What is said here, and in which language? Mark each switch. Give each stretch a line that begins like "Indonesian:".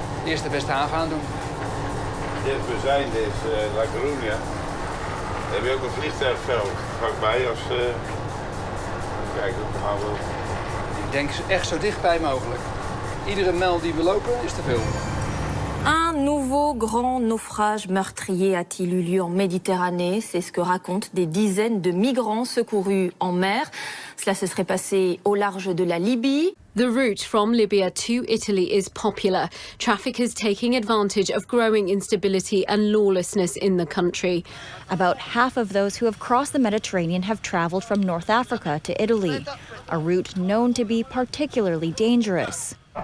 Dutch: De eerste beste haven aandoen. Dit bezijn is La Coruña. Heb je ook een vliegtuigveld vlakbij als... Kijk, ik denk echt zo dichtbij mogelijk. Iedere mijl die we lopen is te veel.
French: Un nouveau grand naufrage meurtrier a-t-il eu lieu en Méditerranée? C'est ce que racontent des dizaines de migrants secourus en mer. Cela se serait passé au large de la Libye.
English: The route from Libya to Italy is popular. Traffic is taking advantage of growing instability and lawlessness in the country. About half of those who have crossed the Mediterranean have traveled from North Africa to Italy, a route known to be particularly dangerous.